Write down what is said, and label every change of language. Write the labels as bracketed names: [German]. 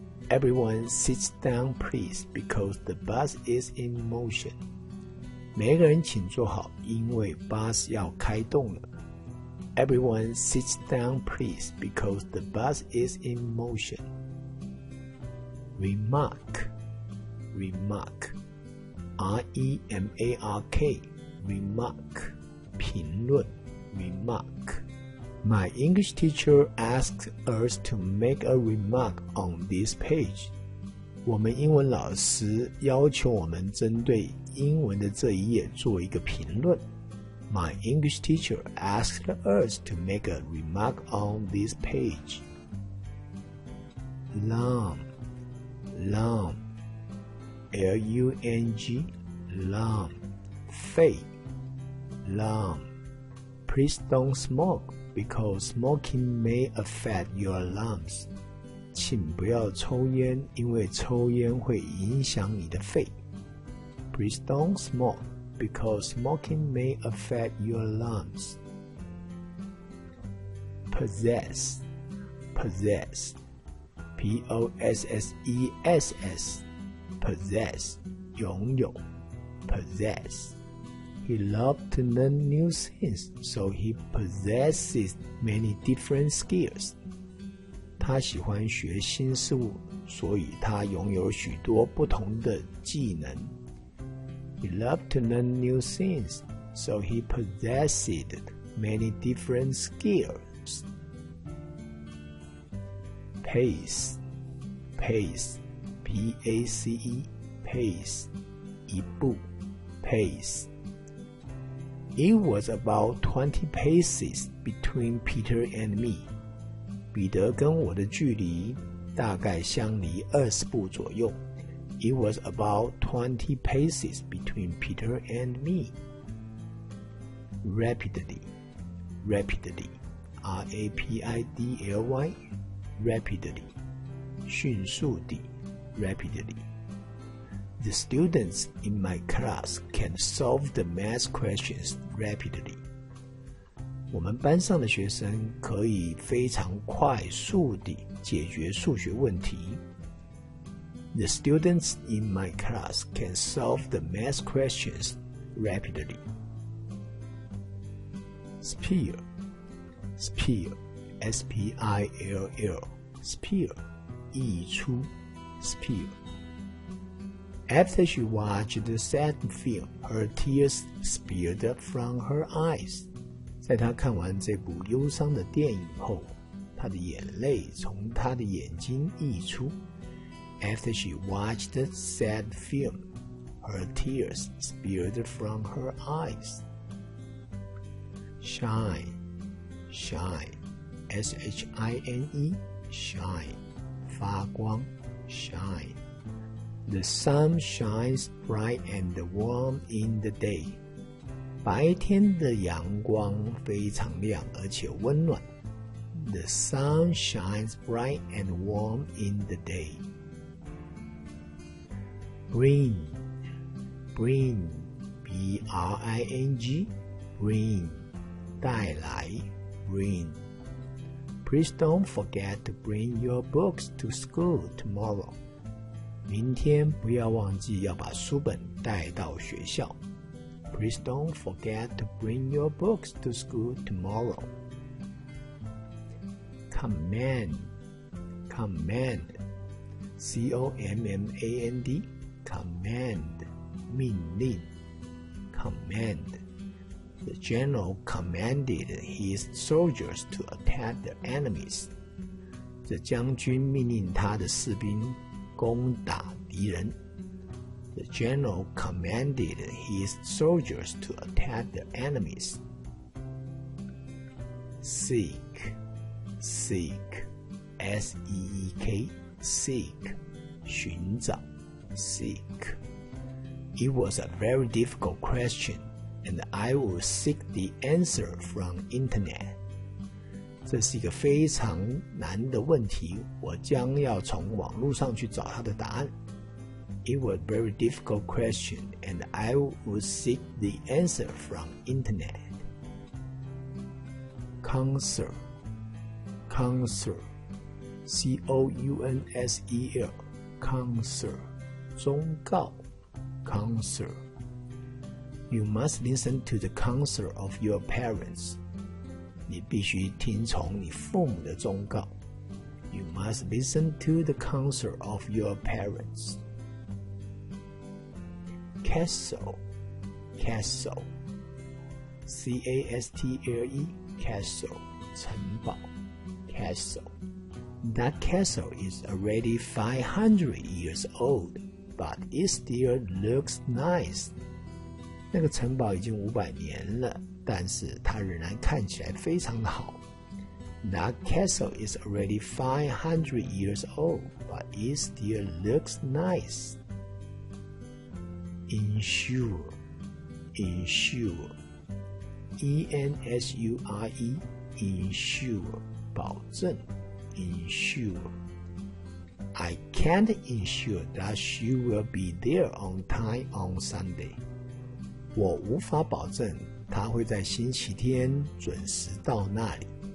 [English] Everyone sits down, please, because the bus is in motion. [Chinese] 每个人请坐好，因为 bus 要开动了。 [English] Everyone sits down, please, because the bus is in motion. Remark, remark, R-E-M-A-R-K, remark, 评论 remark. My English teacher asked us to make a remark on this page. [Chinese] 我们英文老师要求我们针对英文的这一页做一个评论。 [English] My English teacher asked us to make a remark on this page. Long, long, L-U-N-G, long, 肺 long. Please don't smoke because smoking may affect your lungs. [Chinese] 请不要抽烟，因为抽烟会影响你的肺。 [English] Please don't smoke. Because smoking may affect your lungs. Possess, possess, P-O-S-S-E-S-S, possess, 拥有 possess. He loved to learn new things, so he possesses many different skills. [Chinese] 他喜欢学新事物，所以他拥有许多不同的技能。 [English] He loved to learn new things, so he possessed many different skills. Pace, pace, P-A-C-E, pace, 一步 pace. It was about 20 paces between Peter and me. [Chinese] 彼得跟我的距离大概相离20步左右。 [English] It was about 20 paces between Peter and me. Rapidly, rapidly, R-A-P-I-D-L-Y, rapidly, 迅速地 rapidly. The students in my class can solve the math questions rapidly. [Chinese] 我们班上的学生可以非常快速地解决数学问题。 [English] The students in my class can solve the math questions rapidly. Spear, spear, S-P-I-L-L, spear, 溢出 spear. After she watched the sad film, her tears spilled from her eyes. [Chinese] 在她看完这部忧伤的电影后，她的眼泪从她的眼睛溢出。 [English] After she watched the sad film, her tears spilled from her eyes. Shine, shine, S-H-I-N-E, shine, 发光 shine. The sun shines bright and warm in the day. [Chinese] 白天的阳光非常亮而且温暖。 [English] The sun shines bright and warm in the day. Bring, bring, B-R-I-N-G, bring, 带来 bring. Please don't forget to bring your books to school tomorrow. [Chinese] 明天不要忘记要把书本带到学校。 [English] Please don't forget to bring your books to school tomorrow. Command, command, C-O-M-M-A-N-D. Command, 命令 Command. The general commanded his soldiers to attack the enemies. [Chinese] 这将军命令他的士兵攻打敌人。 [English] The general commanded his soldiers to attack the enemies. Seek, seek, S-E-E-K, seek, 寻找 seek. It was a very difficult question, and I will seek the answer from internet. [Chinese] 这是一个非常难的问题，我将要从网络上去找它的答案。 [English] It was a very difficult question, and I would seek the answer from internet. Counsel, counsel, C-O-U-N-S-E-L, counsel, 忠告 counsel. You must listen to the counsel of your parents. [Chinese] 你必须听从你父母的忠告。 [English] You must listen to the counsel of your parents. Castle, C-A-S-T-L-E, castle, 城堡 castle. That castle is already 500 years old, but it still looks nice. [Chinese] 那个城堡已经500年了，但是它仍然看起来非常的好。 [English] That castle is already 500 years old, but it still looks nice. Insure, insure, E-N-S-U-R-E, insure, 保证 insure. I can't ensure that she will be there on time on Sunday. [Chinese] 我无法保证她会在星期天准时到那里。